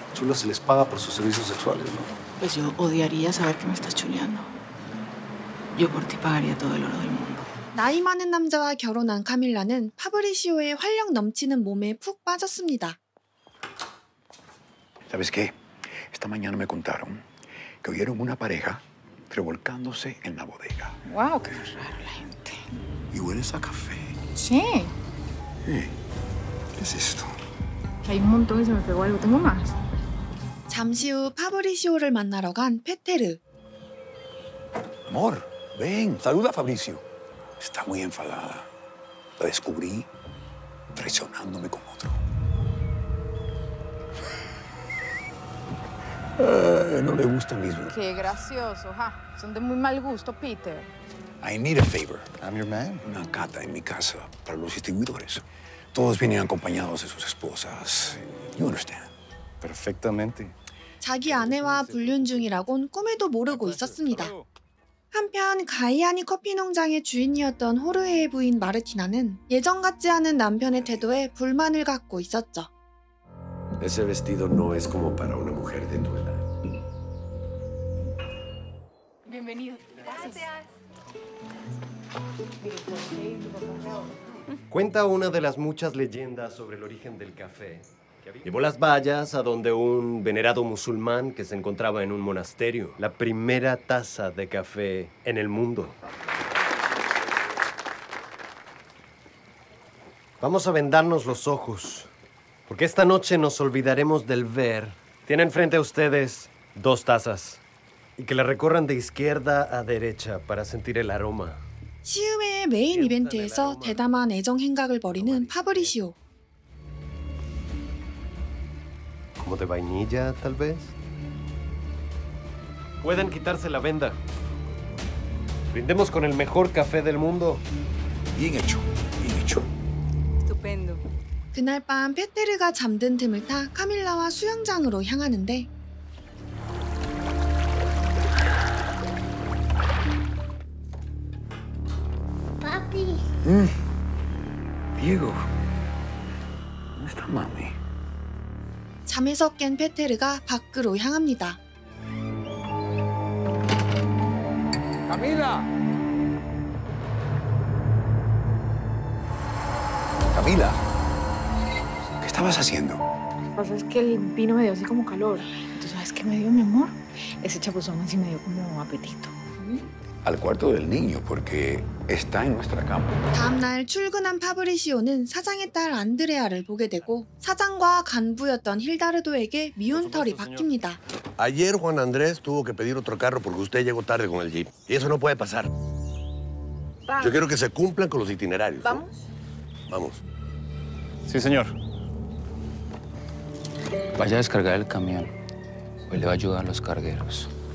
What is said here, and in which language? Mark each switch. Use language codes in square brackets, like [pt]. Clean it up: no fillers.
[es] Chulo se les paga por sus servicios sexuales, ¿no? Pues yo odiaría saber que me estás chuleando. Yo por ti pagaría todo el oro del mundo. [ko] 나이 많은 남자와 결혼한 카밀라는 파브리시오의 활력 넘치는 몸에 푹 빠졌습니다. [es] ¿Sabes qué? Esta mañana me contaron que oyeron una pareja revolcándose en la bodega. Wow, qué raro la gente. ¿Y hueles a café? Sí. ¿Qué es esto? Hay un montón y se me pegó algo. Tengo más. [ko] 잠시 후 파브리시오를 만나러 간 페테르. [es] Amor, ven. Saluda a Fabricio. Está muy enfadada. La descubrí traicionándome con otro. No le gusta mismo. Qué gracioso, ja. Son de muy mal gusto, Peter. [en] I need a favor. I'm your man. [es] Una cata en mi casa para los distribuidores. Todos vienen acompañados de sus esposas. [en] You understand? [es] Perfectamente. [ko] 자기 아내와 불륜 중이라곤 꿈에도 모르고 있었습니다. 한편 가이아니 커피 농장의 주인이었던 호르헤의 부인 마르티나는 예전 같지 않은 남편의 태도에 불만을 갖고 있었죠. [es] Ese vestido no es como para una mujer de tu edad. Bienvenido. Gracias. Cuenta una de las muchas leyendas sobre el origen del café. Llevó las vallas a donde un venerado musulmán que se encontraba en un monasterio. La primera taza de café en el mundo. Vamos a vendarnos los ojos, porque esta noche nos olvidaremos del ver. Tienen frente a ustedes dos tazas. Y que la recorran de izquierda a derecha para sentir el aroma. [ko] 시음회의 메인 이벤트에서 대담한 애정 행각을 벌이는 파브리시오. [es] Como de vainilla, tal vez. Pueden quitarse la venda. Brindemos con el mejor café del mundo. Bien hecho, bien hecho. Estupendo. [ko] 그날 밤 페테르가 잠든 틈을 타 카밀라와 수영장으로 향하는데. [es] Papi. Diego. ¿Dónde está mami? [ko] 잠에서 깬 페테르가 밖으로 향합니다. [es] Camila. Camila. ¿Qué estabas haciendo? Lo que pasa es que el vino me dio así como calor. ¿Tú sabes qué me dio, mi amor? Ese chapuzón así me dio como apetito. Al cuarto del niño, porque está en nuestra cama. [ko] 다음 날 출근한 파브리시오는 사장의 딸 안드레아를 보게 되고 사장과 간부였던 힐다르도에게 미운털이 박힙니다. [es] Ayer Juan Andrés tuvo que pedir otro carro porque usted llegó tarde con el jeep. Y eso no puede pasar. Yo quiero que se cumplan con los itinerarios. Vamos. Sí, señor. Vaya a descargar el camión. Hoy le va a ayudar a los cargueros.